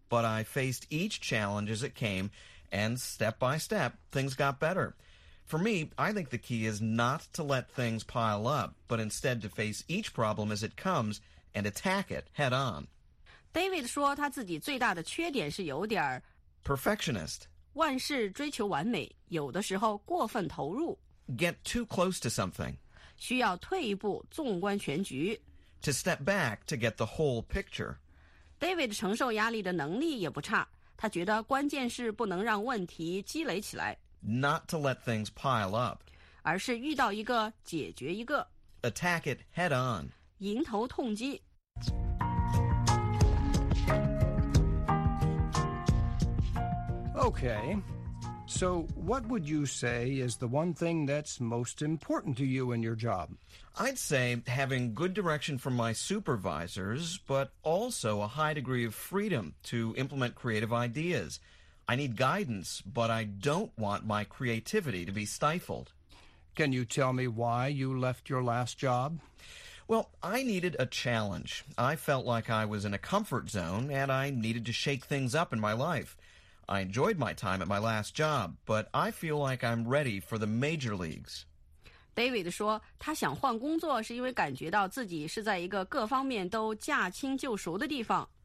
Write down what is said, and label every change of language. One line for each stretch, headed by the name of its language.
English: But I faced each challenge as it came, and step by step, things got better. For me, I think the key is not to let things pile up, but instead to face each problem as it comes and attack it head on.
Chinese: David 说他自己最大的缺点是有点
English: Perfectionist.
Chinese: 万事追求完美，有的时候过分投入。
English: Get too close to something.
Chinese: 需要退一步，纵观全局。
English: To step back to get the whole picture.
Chinese: David 承受压力的能力也不差，他觉得关键是不能让问题积累起来。
English: Not to let things pile up.
Chinese: 而是遇到一个解决一个。
English: Attack it head on.
Chinese: 迎头痛击。
English: Okay, so what would you say is the one thing that's most important to you in your job? I'd say having good direction from my supervisors, but also a high degree of freedom to implement creative ideas. I need guidance, but I don't want my creativity to be stifled. Can you tell me why you left your last job? Well, I needed a challenge. I felt like I was in a comfort zone, and I needed to shake things up in my life. I enjoyed my time at my last job, but I feel like I'm ready for the major leagues.
Chinese: David 说他想换工作是因为感觉到自己是在一个各方面都驾轻就熟的地方。